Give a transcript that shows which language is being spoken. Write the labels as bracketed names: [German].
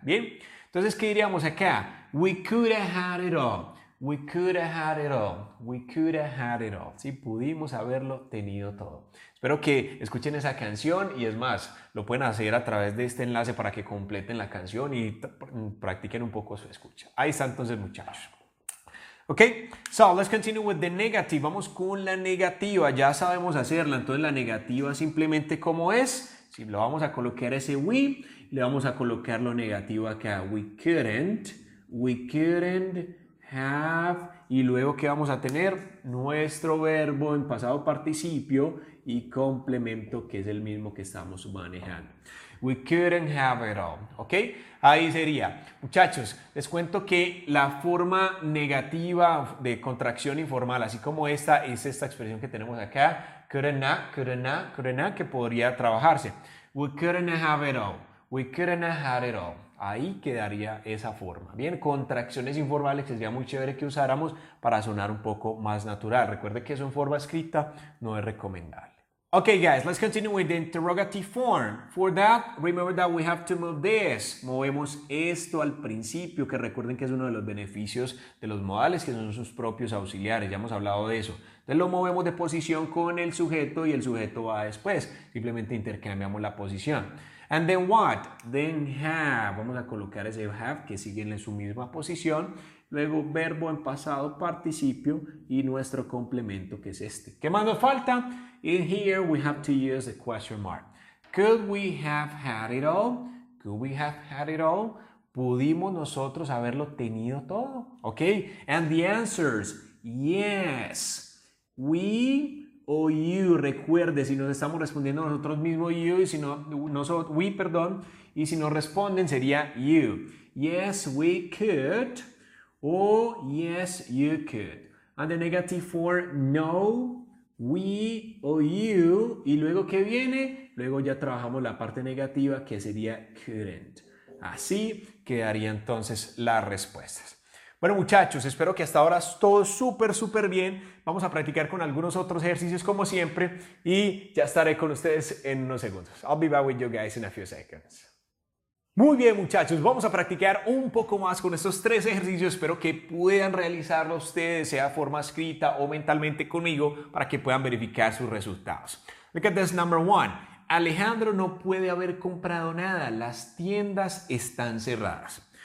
[Spanish] Bien, entonces ¿qué diríamos acá? [English] We could have had it all. We could have had it all. We could have had it all. [Spanish] Sí, pudimos haberlo tenido todo. Espero que escuchen esa canción y es más, lo pueden hacer a través de este enlace para que completen la canción y practiquen un poco su escucha. Ahí está entonces, muchachos. [English] Ok, so let's continue with the negative. [Spanish] Vamos con la negativa. Ya sabemos hacerla. Entonces, la negativa simplemente como es. Si lo vamos a colocar ese we, le vamos a colocar lo negativo acá. [English] We couldn't. We couldn't. Have, [Spanish] y luego que vamos a tener nuestro verbo en pasado participio y complemento que es el mismo que estamos manejando. [English] We couldn't have it all, ¿ok? [Spanish] Ahí sería. Muchachos, les cuento que la forma negativa de contracción informal, así como esta, es esta expresión que tenemos acá, couldn't, que podría trabajarse. [English] We couldn't have it all. We couldn't have it all. [Spanish] Ahí quedaría esa forma. Bien, contracciones informales que sería muy chévere que usáramos para sonar un poco más natural. Recuerde que eso en forma escrita no es recomendable. [English] Okay, guys, let's continue with the interrogative form. For that, remember that we have to move this. [Spanish] Movemos esto al principio, que recuerden que es uno de los beneficios de los modales, que son sus propios auxiliares. Ya hemos hablado de eso. Entonces, lo movemos de posición con el sujeto y el sujeto va después. Simplemente intercambiamos la posición. [English] And then what? Then have. [Spanish] Vamos a colocar ese have que sigue en su misma posición. Luego, verbo en pasado participio y nuestro complemento, que es este. ¿Qué más nos falta? [English] In here, we have to use the question mark. Could we have had it all? Could we have had it all? [Spanish] ¿Pudimos nosotros haberlo tenido todo? [English] ¿Ok? And the answers, yes. [Spanish] We o you, recuerde, si nos estamos respondiendo nosotros mismos, you, y si no, nosotros, we, perdón, y si nos responden sería you. [English] Yes, we could. Oh, yes, you could. And the negative form, no, we or you. [Spanish] ¿Y luego qué viene? Luego ya trabajamos la parte negativa, que sería couldn't. Así quedaría entonces las respuestas. Bueno, muchachos, espero que hasta ahora todo súper, súper bien. Vamos a practicar con algunos otros ejercicios, como siempre, y ya estaré con ustedes en unos segundos. [English] I'll be back with you guys in a few seconds. [Spanish] Muy bien, muchachos, vamos a practicar un poco más con estos tres ejercicios. Espero que puedan realizarlo ustedes, sea de forma escrita o mentalmente conmigo, para que puedan verificar sus resultados. [English] Look at this number one. [Spanish] Alejandro no puede haber comprado nada. Las tiendas están cerradas.